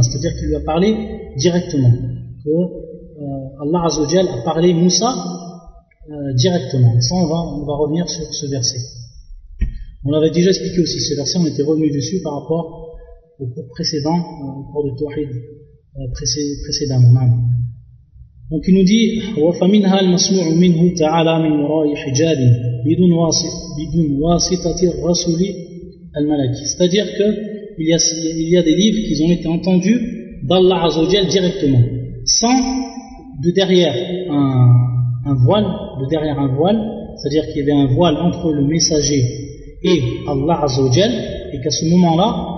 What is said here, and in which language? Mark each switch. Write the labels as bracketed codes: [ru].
[fr] C'est-à-dire qu'il lui a parlé directement. Que Allah Azzawajal a parlé Moussa directement. Et ça, on va revenir sur ce verset. On l'avait déjà expliqué aussi, ce verset, on était revenu dessus par rapport au cours précédent, au cours de Tawhid précédemment. Donc il nous dit [ar] وَفَمِنْهَا الْمَسْمُعُ مِنْهُ تَعَالَى مِنْ وَرَاءِ حِجَابٍ بِدُونْ وَاسِطَةِ الرَّسُولِ الْمَلَكِ. [fr] C'est-à-dire qu'il y a des livres qui ont été entendus d'Allah Azzawajal directement, sans de derrière un voile, c'est-à-dire qu'il y avait un voile entre le messager et Allah Azzawajal, et qu'à ce moment-là,